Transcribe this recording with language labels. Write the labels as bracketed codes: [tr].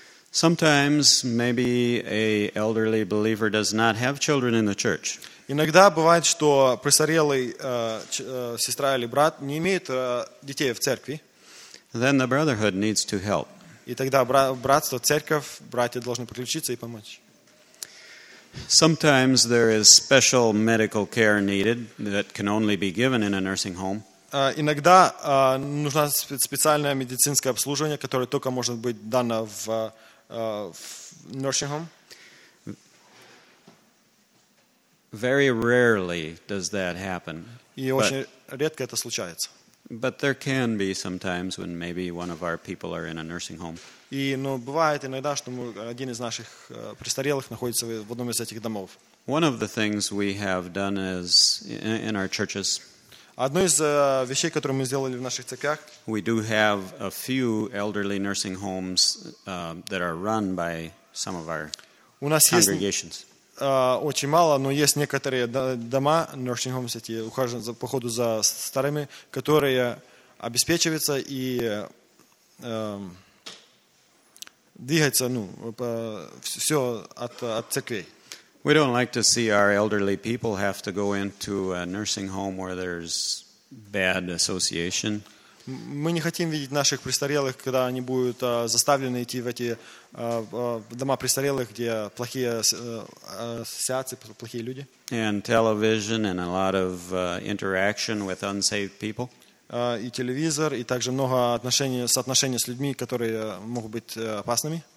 [en] Sometimes maybe a elderly believer does not have children in the church. [ru] Иногда бывает, что престарелый сестра или брат не имеет детей в церкви. [en] Then the brotherhood needs to help. [ru] И тогда братство, церковь, братья должны подключиться и помочь. [en] Sometimes there is special medical care needed that can only be given in a nursing home. [ru] Иногда нужна специальное медицинское обслуживание, которое только может быть дано в nursing home. [en] Very rarely does that happen. [ru] И очень редко это случается. [en] But there can be sometimes when maybe one of our people are in a nursing home. [ru] И, ну, бывает иногда, что один из наших престарелых находится в одном из этих домов. [en] One of the things we have done is in our churches. [ru] Одно из вещей, которые мы сделали в наших церквях. [en] We do have a few elderly nursing homes that are run by some of our congregations. [ru] Очень мало, но есть некоторые дома, nursing homes, эти ухаживают по ходу за старыми, которые обеспечиваются и двигаются, ну, все от церквей. [en] We don't like to see our elderly people have to go into a nursing home where there's bad association. [ru] Мы не хотим видеть наших престарелых, когда они будут заставлены идти в эти дома престарелых, где плохие ассоциации, плохие люди. [en] And television and a lot of interaction with unsaved people. [ru] И телевизор, и также много соотношений с людьми, которые могут быть опасными.